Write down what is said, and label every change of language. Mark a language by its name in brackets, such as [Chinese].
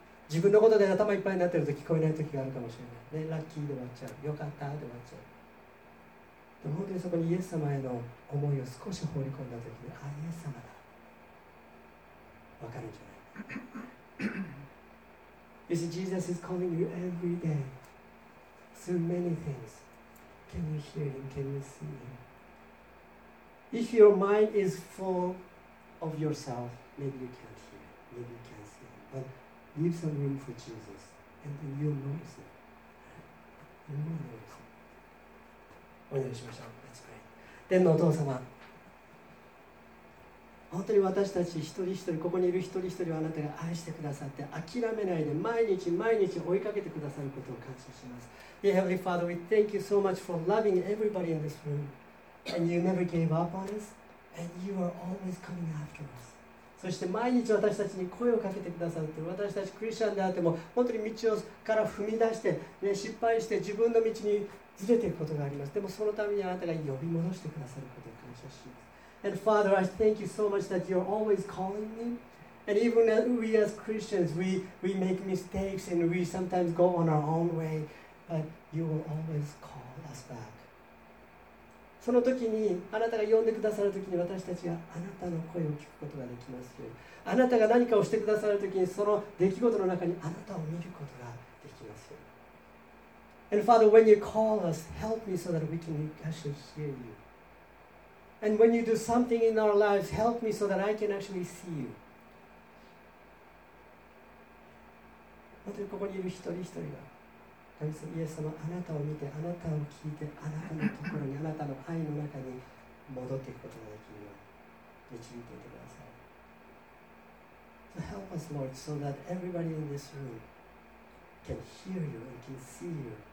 [Japanese] 自分のことで頭いっぱいになっていると聞こえない時があるかもしれない。で、ラッキーで終わっちゃう。よかったで終わっちゃう。でも本当にそこにイエス様への思いを少し放り込んだ時に、あ、イエス様だ。分かるんじゃない。 [English] You see, Jesus is calling you every day through many things. Can you hear him? Can you see him? If your mind is full of yourself, maybe you can't hear, maybe you can't see him. But leave some room for Jesus, and then you'll notice it. [Japanese] お祈りしましょう。 [English] Let's pray. [Japanese] 天のお父様、本当に私たち一人一人、ここにいる一人一人をあなたが愛してくださって、諦めないで毎日毎日追いかけてくださることを感謝します。 [English] Dear Heavenly Father, we thank you so much for loving everybody in this room, and you never gave up on us, and you are always coming after us. [Japanese] そして毎日私たちに声をかけてくださって、私たちクリスチャンであっても本当に道をから踏み出して、ね、失敗して自分の道にずれていくことがあります。でもそのためにあなたが呼び戻してくださることを感謝します。 [English] And Father, I thank you so much that you're always calling me, and even as we as Christians we make mistakes and we sometimes go on our own way, but you will always call us back. [Japanese] その時にあなたが呼んでくださる時に、私たちがあなたの声を聞くことができますよ。あなたが何かをしてくださる時に、その出来事の中にあなたを見ることができますよ。 [English] And Father, when you call us, help me so that we can actually hear you. And when you do something in our lives, help me so that I can actually see you. [Japanese] 本当にここにいる一人一人が、神様、イエス様、あなたを見て、あなたを聞いて、あなたのところに、あなたの愛の中に戻っていくことができるように導いていてください。 [English] So help us, Lord, so that everybody in this room can hear you and can see you.